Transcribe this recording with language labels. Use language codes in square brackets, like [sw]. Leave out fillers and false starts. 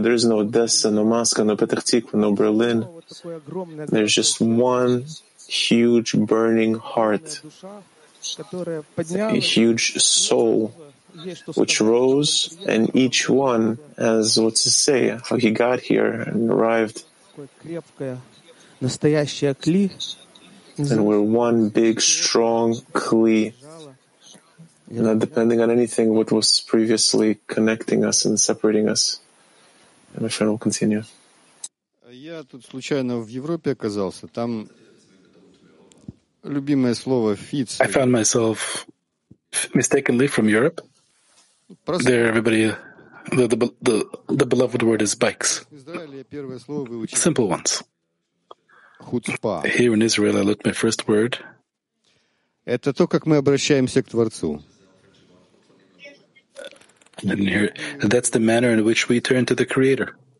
[en] There is no Odessa, no Moscow, no Petah Tikva, no Berlin. There's just one huge burning heart, a huge soul, which rose, and each one has what to say, how he got here and arrived. And we're one big, strong kli. Not depending on anything, what was previously connecting us and separating us. And my friend will continue. [ru] Я тут случайно в Европе оказался. Там любимое слово фиц. [en] I found myself mistakenly from Europe. There, everybody, the beloved word is bikes. Simple ones. Here in Israel, I learned my first word. That's the manner in which we turn to the Creator.